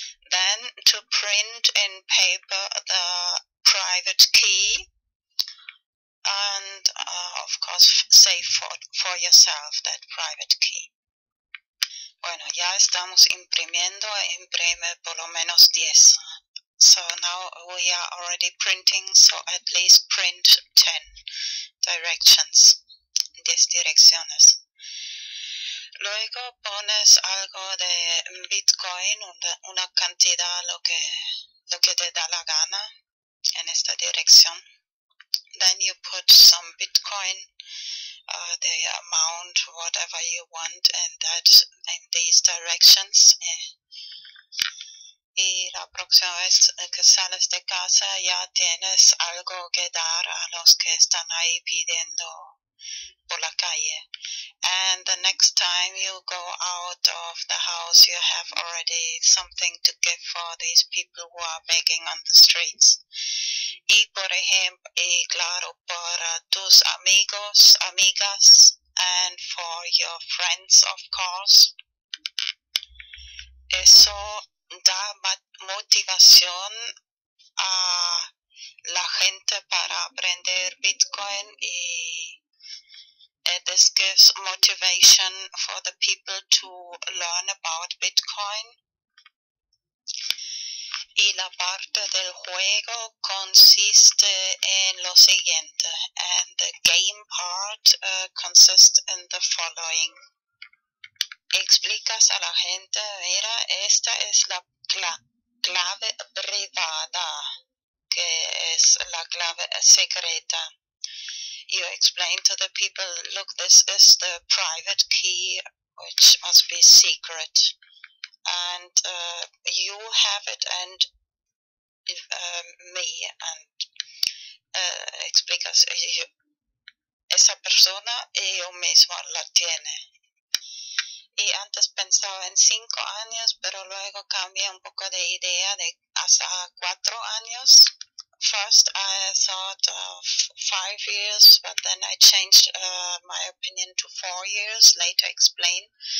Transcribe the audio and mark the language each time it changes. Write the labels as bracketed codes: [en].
[en] Then to print in paper the private key and of course save for yourself that private key. [es] Bueno, ya estamos imprimiendo, imprime por lo menos 10. [en] So now we are already printing, so at least print 10 directions, [es] 10 direcciones. Luego pones algo de Bitcoin, una cantidad, lo que te da la gana en esta dirección. [en] Then you put some Bitcoin, the amount, whatever you want, in these directions. [es] Y la próxima vez que sales de casa ya tienes algo que dar a los que están ahí pidiendo por la calle. [en] And the next time you go out of the house, you have already something to give for these people who are begging on the streets. [es] Y por ejemplo, y claro, para tus amigos, amigas, [en] and for your friends, of course. [es] Eso da motivación a la gente para aprender Bitcoin y [en] This gives motivation for the people to learn about Bitcoin. [es] Y la parte del juego consiste en lo siguiente. [en] And the game part consists in the following. [es] Explicas a la gente, mira, esta es la clave privada, que es la clave secreta. [en] You explain to the people, look, this is the private key, which must be secret. And you have it, and me, and [es] explicas, esa persona y yo mismo la tiene. Y antes pensaba en 5 años, pero luego cambié un poco de idea de hasta 4 años. [en] First, I thought of 5 years, but then I changed my opinion to 4 years, later explained.